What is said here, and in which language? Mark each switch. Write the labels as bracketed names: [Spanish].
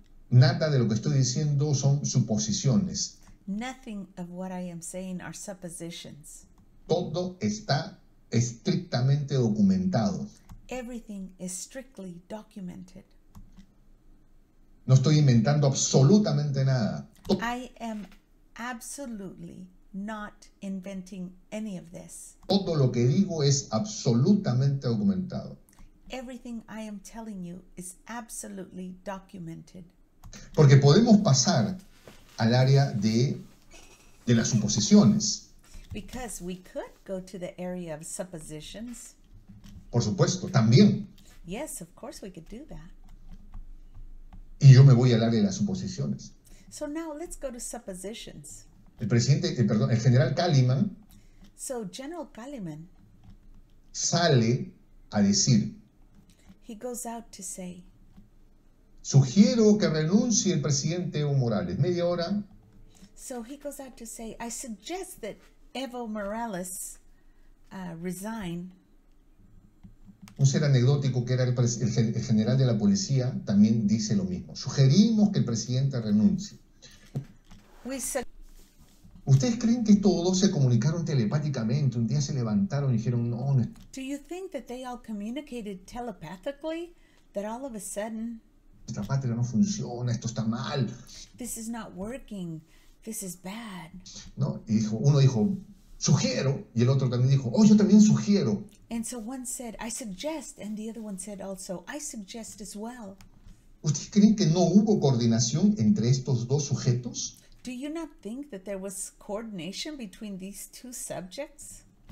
[Spanish] Nada de lo que estoy diciendo son suposiciones. [English] Nothing of what I am saying are suppositions. [Spanish] Todo está estrictamente documentado. [English] Everything is strictly documented. [Spanish] No estoy inventando absolutamente nada. [English] I am absolutely not inventing any of this. [Spanish] Todo lo que digo es absolutamente documentado. [English] Everything I am telling you is absolutely documented. [Spanish] Porque podemos pasar al área de las suposiciones. [English] Because we could go to the area of suppositions. [Spanish] Por supuesto, también. [English] Yes, of course we could do that. [Spanish] Y yo me voy al área de las suposiciones. [English] So now let's go to suppositions. [Spanish] El presidente, perdón, el general Kalimann [English] So General Kalimann, [Spanish] sale a decir: [English] he goes out to say, [Spanish] sugiero que renuncie el presidente Evo Morales. Media hora. [English] so he goes out to say, I suggest that Evo Morales resign. [Spanish] Un ser anecdótico que era el general de la policía también dice lo mismo. Sugerimos que el presidente renuncie. ¿Ustedes creen que todos se comunicaron telepáticamente? Un día se levantaron y dijeron, no, no. [English] Do you think that they all communicated telepathically? That all of a sudden, [Spanish] Nuestra patria no funciona, esto está mal. [English] this is not working, this is bad. [Spanish] ¿No? Y dijo, uno dijo, sugiero, y el otro también dijo, oh, yo también sugiero. [English] And so one said, I suggest, and the other one said also, I suggest as well. [Spanish] ¿Ustedes creen que no hubo coordinación entre estos dos sujetos? [English] Do you not think that there was coordination between these two subjects?